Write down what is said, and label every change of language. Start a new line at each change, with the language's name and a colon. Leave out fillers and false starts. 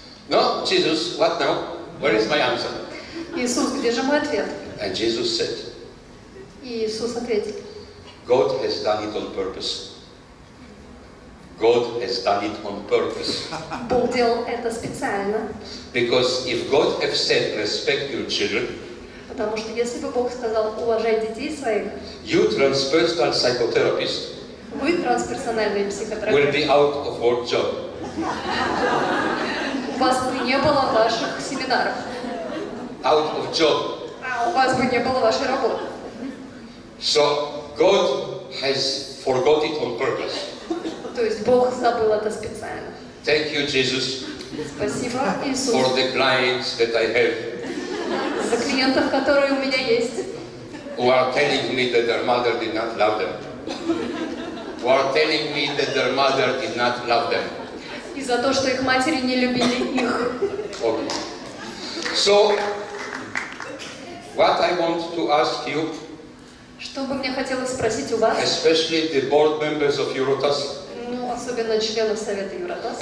English: No, Jesus, what now? Where is my answer?
Russian: Иисус, где же мой ответ?
English: And Jesus said.
Russian: Иисус ответил.
English: God has done it on purpose. God has done it on purpose.
Russian: Бог делал это специально.
English: Because if God has said respect your children.
Russian: Потому что если бы Бог сказал уважай детей своих.
English: You transpersonal psychotherapist.
Russian: Вы трансперсональный психотерапевт.
English: Will be out of work job.
Russian: У вас бы не было ваших семинаров.
English: Out of job.
Russian: А у вас бы не было вашей работы.
English: So God has forgot it on purpose.
Russian: То есть Бог забыл это специально.
English: Thank you, Jesus.
Russian: Спасибо, Иисус.
English: For the clients that I have.
Russian: За клиентов, которые у меня есть.
English: Who are telling me that their mother did not love them. Who are telling me that their mother did not love them.
Russian: И за то, что их матери не любили их.
English: Okay. So, what I want to ask you,
Russian: что бы мне хотелось спросить у вас,
English: especially the board members of Eurotas,
Russian: ну, особенно членов Совета Eurotas,